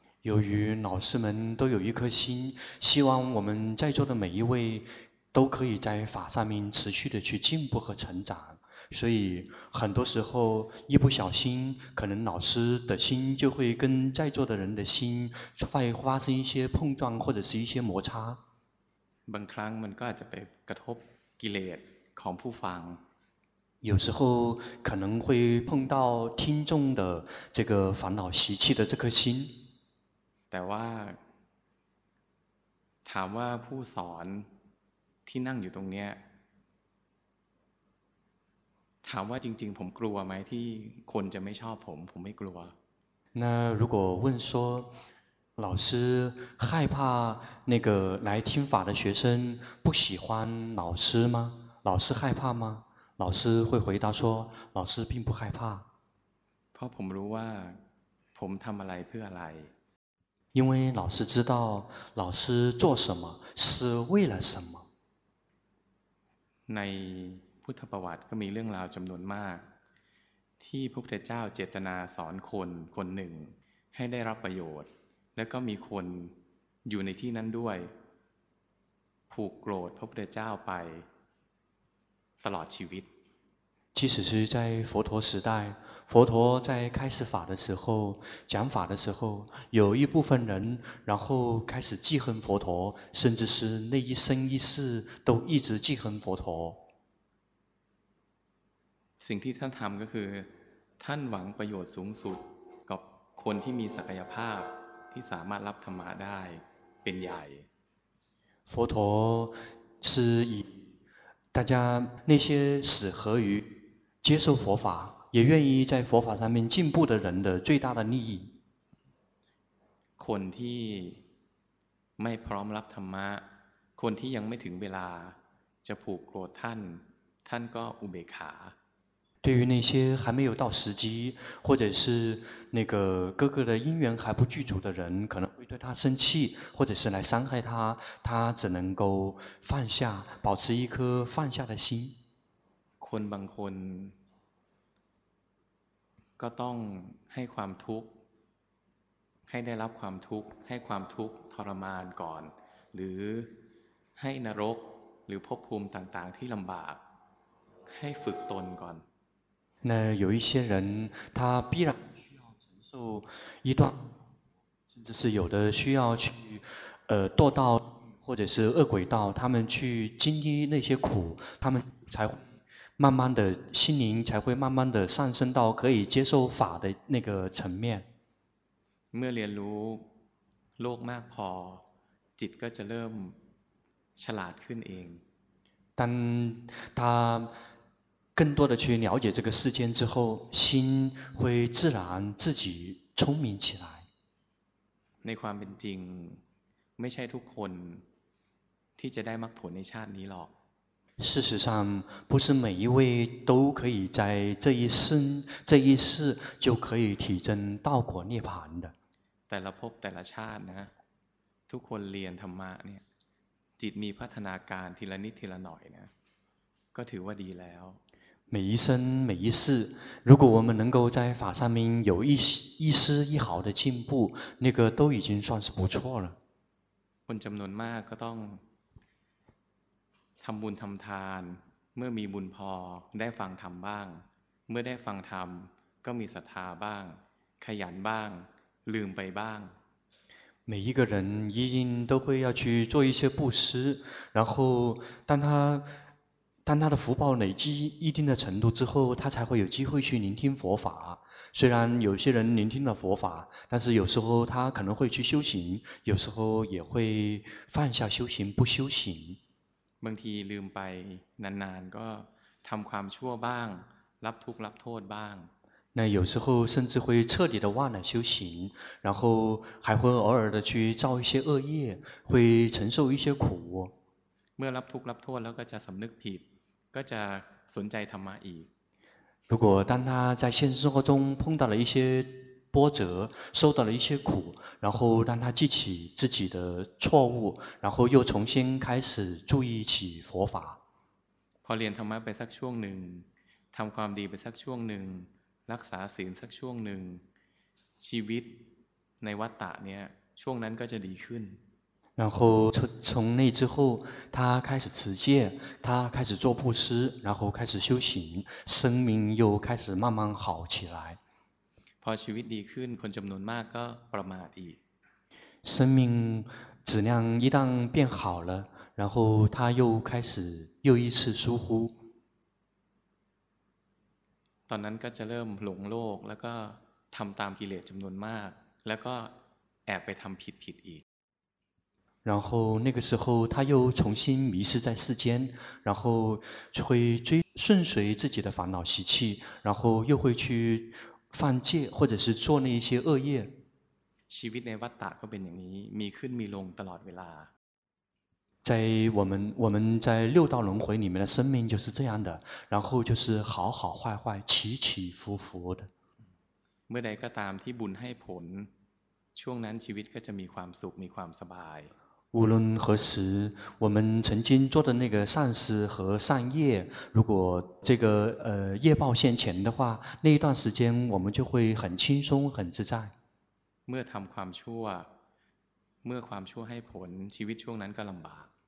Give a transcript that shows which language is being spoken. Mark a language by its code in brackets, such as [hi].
[zh] 由于老师们都有一颗心希望我们在座的每一位都可以在法上面持续的去进步和成长所以很多时候一不小心可能老师的心就会跟在座的人的心会发生一些碰撞或者是一些摩擦 [th] บางครั้งมันก็อาจจะไปกระทบกิเลสของผู้ฟัง [zh] 有时候可能会碰到听众的这个烦恼习气的这颗心 [th] แต่ว่าถามว่าผู้สอนที่นั่งอยู่ตรงเนี้ยถามว่าจริงๆผมกลัวไหมที่คนจะไม่ชอบผมผมไม่กลัว [zh] 那如果问说老师害怕那个来听法的学生不喜欢老师吗老师害怕吗老师会回答说老师并不害怕 [th] เพราะผมรู้ว่าผมทำอะไรเพื่ออะไร [zh] 因为老师知道老师做什么是为了什么 [th] ในพุทธประวัติก็มีเรื่องราวจำนวนมากที่พระพุทธเจ้าเจตนาสอนคนคนหนึ่งให้ได้รับประโยชน์แล้วก็มีคนอยู่ในที่นั้นด้วยผูกโกรธพระพุทธเจ้าไปตลอดชีวิต [zh] 即使是在佛陀时代佛陀在开始法的时候讲法的时候有一部分人然后开始记恨佛陀甚至是那一生一世都一直记恨佛陀 [th] สิ่งที่ท่านทำก็คือท่านหวังประโยชน์สูงสุดกับคนที่มีศักยภาพที่สามารถรับธรรมะได้เป็นใหญ่ [zh] 佛陀是以大家那些适合于接受佛法也愿意在佛法上面进步的人的最大的利益 [th] คนที่ไม่พร้อมรับธรรมะคนที่ยังไม่ถึงเวลาจะผูกโกรธท่านท่านก็อุเบกขา [zh] 对于那些还没有到时机或者是那个哥哥的因缘还不具足的人可能会对他生气或者是来伤害他他只能够放下保持一颗放下的心 [th] นบางคนก็ต้องให้ความทุกข์ให้ได้รับความทุกข์ให้ความทุกข์ทรมานก่อนหรือให้นรกหรือภพภูมิต่างๆที่ลำบากให้ฝึกตนก่อน [zh] 那有一些人他必然需要承受一段甚至是有的需要去堕到或者是恶鬼道他们去经历那些苦他们才会慢慢的心灵才会慢慢的上升到可以接受法的那个层面 [th] เมื่อเรียนรู้โลกมากพอจิตก็จะเริ่มฉลาดขึ้นเอง [zh] 当他更多的去了解这个世间之后心会自然自己聪明起来 [th] ในความเป็นจริงไม่ใช่ทุกคนที่จะได้มรรคผลในชาตินี้หรอก [zh] 事实上不是每一位都可以在这一生这一世就可以体证道果涅槃的 [th] แต่ละภพแต่ละชาตินะทุกคนเรียนธรรมะเนี่ยจิตมีพัฒนาการทีละนิดทีละหน่อยนะก็ถือว่าดีแล้ว [zh] 每一生每一世如果我们能够在法上面有一丝一毫的进步那个都已经算是不错了 [th] คนจำนวนมากก็ต้องทำบุญทำทานเมื่อมีบุญพอได้ฟังธรรมบ้างเมื่อได้ฟังธรรมก็มีศรัทธาบ้างขยันบ้างลืมไปบ้าง [zh] 每一个人一定都会要去做一些布施然后当他的福报累积一定的程度之后他才会有机会去聆听佛法虽然有些人聆听了佛法但是有时候他可能会去修行有时候也会放下修行不修行 [th] บางทีลืมไปนานๆก็ทำความชั่วบ้างรับทุกข์รับโทษบ้าง [zh] 那有时候甚至会彻底的忘了修行然后还会偶尔的去造一些恶业会承受一些苦 [th] เมื่อรับทุกข์รับโทษแล้วก็จะสำนึกผิดก็จะสนใจธรรมะอีก [zh] 如果当他在现实生活中碰到了一些波折受到了一些苦然后当他记起自己的错误然后又重新开始注意起佛法 [th] พอเรียนธรรมะไปสักช่วงหนึ่งทำความดีไปสักช่วงหนึ่งรักษาศีลสักช่วงหนึ่งชีวิตในวัฏฏะเนี่ยช่วงนั้นก็จะดีขึ้น [zh] 然后从那之后他开始持戒他开始做布施然后开始修行生命又开始慢慢好起来 [th] พอชีวิตดีขึ้นคนจำนวนมากก็ประมาทอีก [zh] 生命质量一旦变好了然后他又开始又一次疏忽 [th] ตอนนั้นก็จะเริ่มหลงโลกแล้วก็ทำตามกิเลสจำนวนมากแล้วก็แอบไปทำผิดๆอีก [zh] 然后那个时候他又重新迷失在世间然后就会追顺随自己的烦恼习气然后又会去犯戒或者是做那些恶业 [th] ชีวิตในวัฏฏะก็เป็นอย่างนี้มีขึ้นมีลงตลอดเวลา [zh] 在我们在六道轮回里面的生命就是这样的然后就是好好坏坏起起伏伏的 [th] เมื่อใดก็ตามที่บุญให้ผลช่วงนั้นชีวิตก็จะมีความสุขมีความสบาย [zh] 无论何时我们曾经做的那个善事和善业如果这个业报现前的话那一段时间我们就会很轻松很自在 [th] เมื่อทำความชั่วเมื่อความชั่วให้ผลชีวิตช่วงนั้นก็ลำบาก